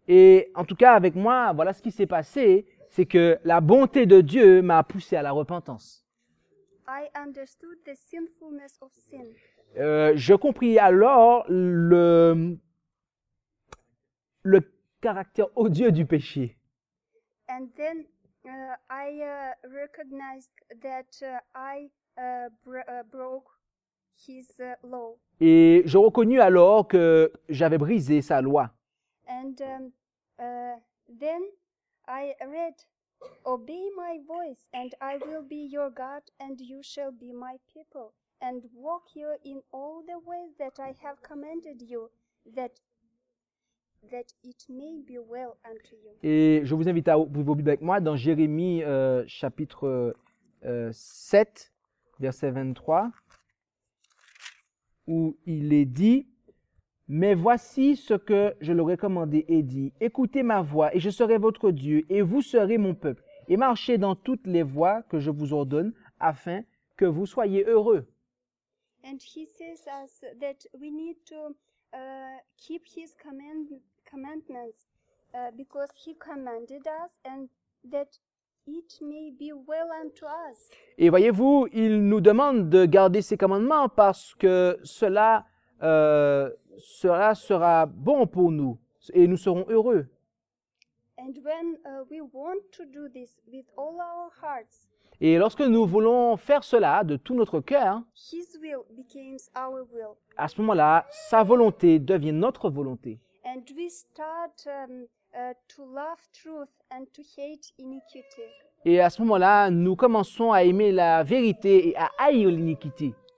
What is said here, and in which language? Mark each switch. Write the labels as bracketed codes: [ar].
[fr] Et en tout cas avec moi, voilà ce qui s'est passé. C'est que la bonté de Dieu m'a poussé à la repentance. [en] I understood the sinfulness of sin. [fr] Je compris alors le caractère odieux du péché. [en] And then I recognized that I broke his law. [fr] Et je reconnus alors que j'avais brisé sa loi. [en] And then I read, obey my voice, and I will be your God, and you shall be my people, and walk you in all the ways that I have commanded you, that it may be well unto you. [fr] Et je vous invite à ouvrir vos Bibles avec moi dans Jérémie chapitre 7, verset 23, où il est dit, mais voici ce que je leur ai commandé et dit, écoutez ma voix, et je serai votre Dieu, et vous serez mon peuple. Et marchez dans toutes les voies que je vous ordonne, afin que vous soyez heureux. [en] And he says us that we need to keep his commandments because he commanded us and that it may be well unto us. [fr] Et voyez-vous, il nous demande de garder ses commandements parce que cela sera bon pour nous et nous serons heureux. [en] And when we want to do this with all our hearts, [fr] et lorsque nous voulons faire cela de tout notre cœur, [en] his will becomes our will. [fr] À ce moment-là, sa volonté devient notre volonté. [en] And we start to love truth and to hate iniquity. [fr] Et à ce moment-là, nous commençons à aimer la vérité et à haïr l'iniquité.